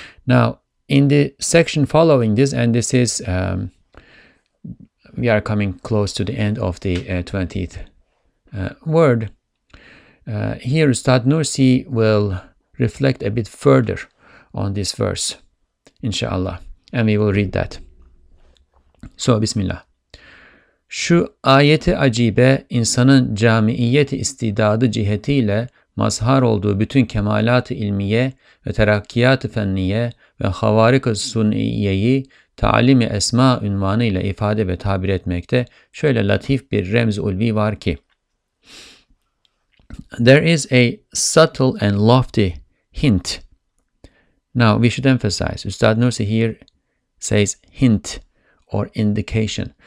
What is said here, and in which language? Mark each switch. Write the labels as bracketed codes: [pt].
[en] Now, in the section following this, and this is... we are coming close to the end of the 20th word. Here, Ustad Nursi will reflect a bit further on this verse, inshallah, and we will read that. So, Bismillah. [tr] Şu ayeti acibe, insanın camiiyeti istidadı cihetiyle mazhar olduğu bütün kemalat-ı ilmiye ve terakkiyat-ı fenniye ve havarik-ı suniyeyi Talim-i Esma unvanıyla ifade ve tabir etmekte şöyle latif bir remz-i ulvi var ki, [en] there is a subtle and lofty hint. Now, we should emphasize, Ustad Nursi here says hint or indication.